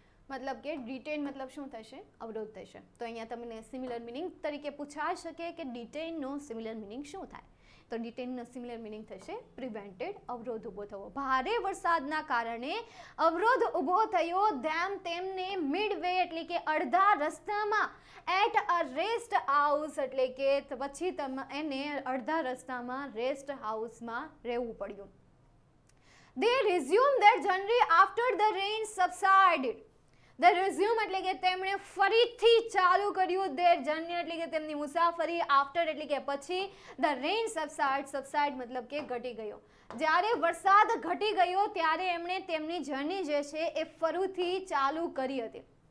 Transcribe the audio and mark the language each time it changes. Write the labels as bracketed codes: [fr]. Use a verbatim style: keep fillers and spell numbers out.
[gu] મતલબ કે ડિટેન મતલબ શું થશે, અવરોધ થશે. તો અહીંયા તમને સિમિલર મિનિંગ તરીકે પૂછાઈ શકે કે ડિટેનનો સિમિલર મિનિંગ શું થાય, તો ડિટેનનો સિમિલર મિનિંગ થશે પ્રિવેન્ટેડ, અવરોધ ઊભો થવો. ભારે વરસાદના કારણે અવરોધ ઊભો થયો ધેમ તેમને [en] mid way [gu] એટલે કે અડધા રસ્તામાં, [en] at a rest house [gu] એટલે કે પછી તમે એને અડધા રસ્તામાં રેસ્ટ હાઉસમાં રહેવું પડ્યું. [en] They resumed their journey after the rain subsided. They resumed [gu] એટલે કે તેમણે ફરીથી ચાલુ કર્યું [en] their journey [gu] એટલે કે તેમની મુસાફરી after એટલે કે પછી, [en] the rain subsided, [gu] subside મતલબ કે ઘટી ગયો. જ્યારે વરસાદ ઘટી ગયો ત્યારે એમણે તેમની જર્ની જે છે એ ફરીથી ચાલુ કરી હતી.